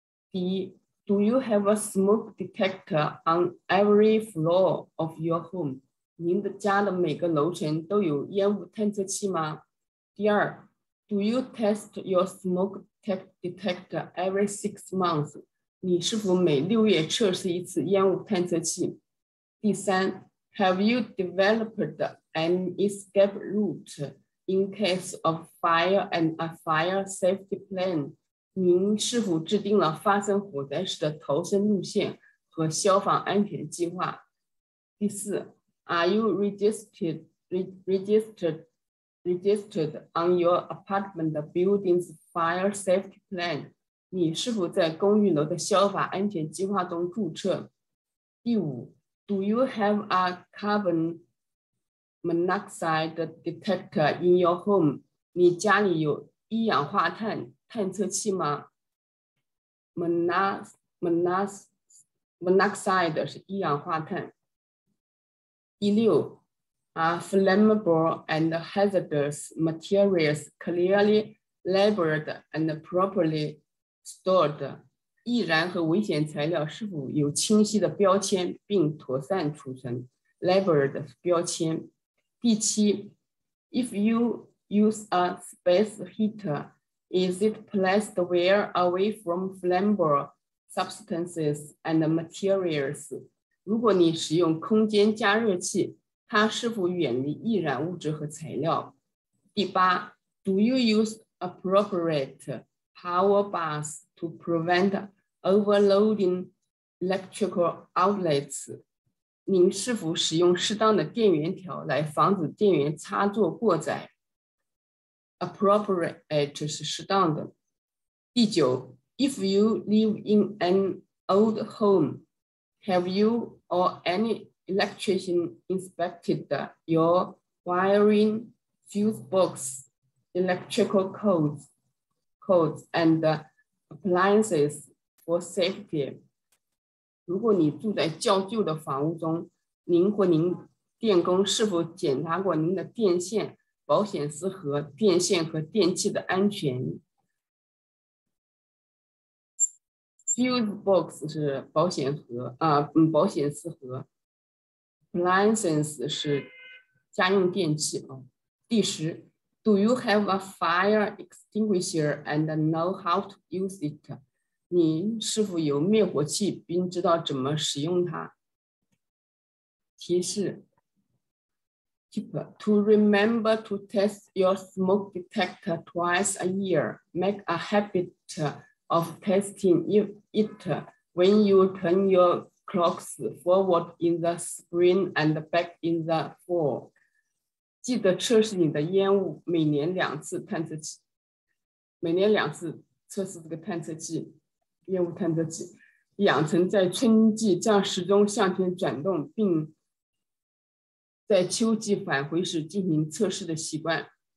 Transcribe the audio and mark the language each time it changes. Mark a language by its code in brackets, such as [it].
[en] 第一 ，Do you have a smoke detector on every floor of your home? [zh] 您的家的每个楼层都有烟雾探测器吗？ [en] 第二 ，Do you test your smoke detector every 6 months？ [zh] 你是否每六月测试一次烟雾探测器？ [en] 第三 ，Have you developed an escape route in case of fire and a fire safety plan？ [zh] 您是否制定了发生火灾时的逃生路线和消防安全计划？第四。 [en] Are you registered on your apartment building's fire safety plan? [zh] 你是否在公寓楼的消防安全计划中注册？ [en] 第五 ，Do you have a carbon monoxide detector in your home? [zh] 你家里有一氧化碳探测器吗 ？Monoxide 是一氧化碳。 [en] 第六 ，Are flammable and hazardous materials clearly labeled and properly stored? [zh] 易燃和危险材料是否有清晰的标签并妥善储存 ？Labeled 标签。 [en] 第七 ，If you use a space heater, is it placed well away from flammable substances and materials? [zh] 如果你使用空间加热器，它是否远离易燃物质和材料？ [en] 第八 ，Do you use appropriate power bars to prevent overloading electrical outlets？ [zh] 您是否使用适当的电源条来防止电源插座过载 ？Appropriate 是适当的。 [en] 第九 ，If you live in an old home。Have you or any electrician inspected your wiring, fuse box, electrical codes and appliances for safety. [zh] 如果你住在较旧的房屋中，您或您电工是否检查过您的电线、保险丝和电线和电器的安全？ Fuse box 是保险盒，保险丝盒。 Appliances 是家用电器啊。第十 ，Do you have a fire extinguisher and know how to use it？你是否有灭火器，并知道怎么使用它？提示。 [en] To remember to test your smoke detector twice a year. Make a habit of testing it when you turn your clocks forward in the spring and back in the fall. [zh] 记得测试你的烟雾，每年两次探测器，每年两次测试这个探测器，烟雾探测器，养成在春季将时钟向前转动，并在秋季返回时进行测试的习惯。